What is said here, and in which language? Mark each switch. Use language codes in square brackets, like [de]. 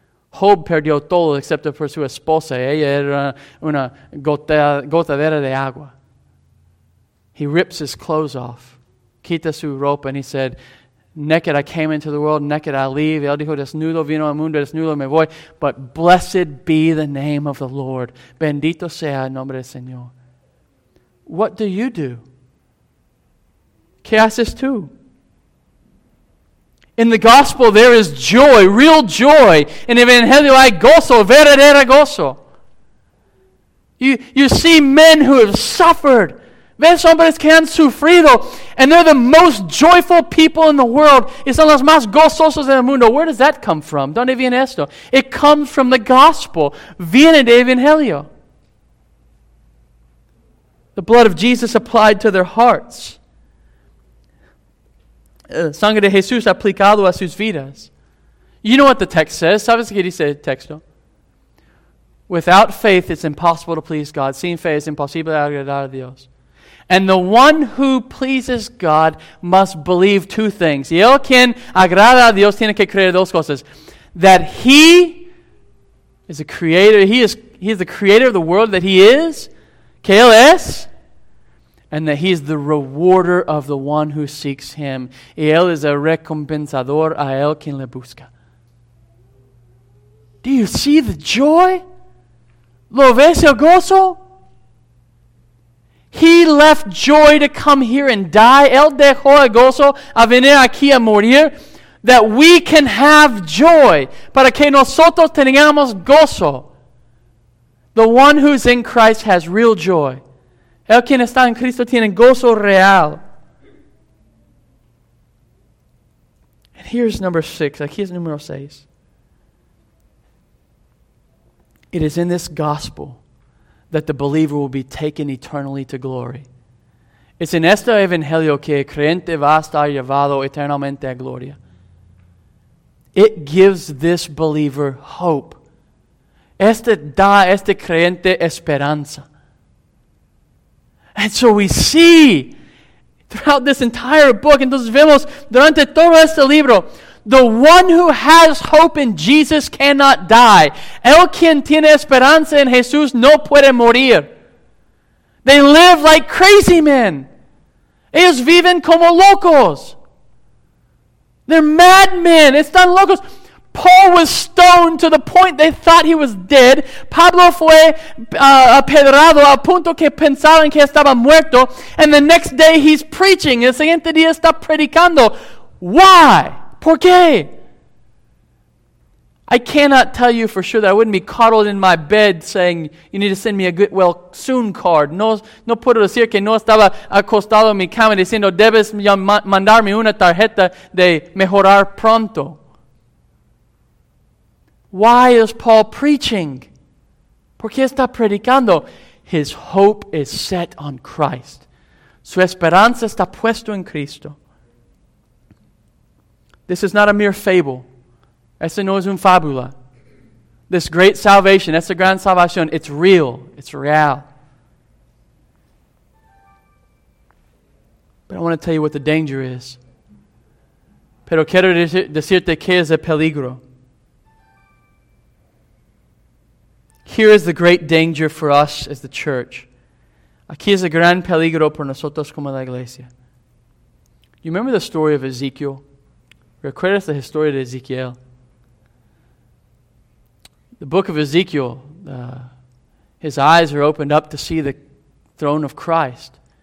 [es] Job perdió todo excepto por su esposa. Ella era una gotadera de agua. [en] He rips his clothes off, [es] quita su ropa, [en] and he said, naked I came into the world, naked I leave. [es] Él dijo, desnudo vino al mundo, desnudo me voy. [en] But blessed be the name of the Lord. [es] Bendito sea el nombre del Señor. [en] What do you do? [es] ¿Qué haces tú? [en] In the gospel there is joy, real joy. [es] In evangelio hay gozo, verdadero gozo. [en] You see men who have suffered. [es] Ves hombres que han sufrido, [en] and they're the most joyful people in the world. [es] Y son los más gozosos del mundo. [en] Where does that come from? [es] ¿Dónde viene esto? [en] It comes from the gospel. [es] Viene de evangelio. [en] The blood of Jesus applied to their hearts. [es] Sangre de Jesús aplicado a sus vidas. [en] You know what the text says. [es] ¿Sabes qué dice el texto? [en] Without faith, it's impossible to please God. [es] Sin fe, es imposible agradar a Dios. [en] And the one who pleases God must believe two things. [es] Y el quien agrada a Dios tiene que creer dos cosas. [en] That he is a creator. He is the creator of the world that he is. [es] Que él es. [en] and that he's the rewarder of the one who seeks him. [es] Y él es el recompensador a él quien le busca. [en] Do you see the joy? [es] ¿Lo ves el gozo? [en] He left joy to come here and die. [es] Él dejó el gozo a venir aquí a morir. [en] That we can have joy. [es] Para que nosotros tengamos gozo. [en] The one who's in Christ has real joy. [es] El quien está en Cristo tiene gozo real. [en] And here's number six. [es] Aquí es número seis. [en] It is in this gospel that the believer will be taken eternally to glory. [es] Es en este evangelio que el creyente va a estar llevado eternamente a gloria. [en] It gives this believer hope. [es] Este da a este creyente esperanza. [en] And so we see throughout this entire book, [es] entonces vemos durante todo este libro, [en] the one who has hope in Jesus cannot die. [es] El quien tiene esperanza en Jesús no puede morir. [en] They live like crazy men. [es] Ellos viven como locos. [en] They're madmen. [es] Están locos. [en] Paul was stoned to the point they thought he was dead. [es] Pablo fue apedrado al punto que pensaban que estaba muerto. [en] And the next day he's preaching. [es] El siguiente día está predicando. [en] Why? ¿Por qué? I cannot tell you for sure that I wouldn't be coddled in my bed saying, you need to send me a good, well, soon card. [es] No puedo decir que no estaba acostado en mi cama diciendo, debes mandarme una tarjeta de mejorar pronto. [en] Why is Paul preaching? [es] ¿Por qué está predicando? [en] His hope is set on Christ. [es] Su esperanza está puesto en Cristo. [en] This is not a mere fable. [es] Esa no es una fábula. [en] This great salvation, [es] esa gran salvación, [en] it's real. It's real. But I want to tell you what the danger is. [es] Pero quiero decirte que es el peligro. [en] Here is the great danger for us as the church. [es] Aquí es el gran peligro por nosotros como la iglesia. [en] You remember the story of Ezekiel? [es] Recuerdas la historia de Ezekiel? [en] The book of Ezekiel, his eyes are opened up to see the throne of Christ.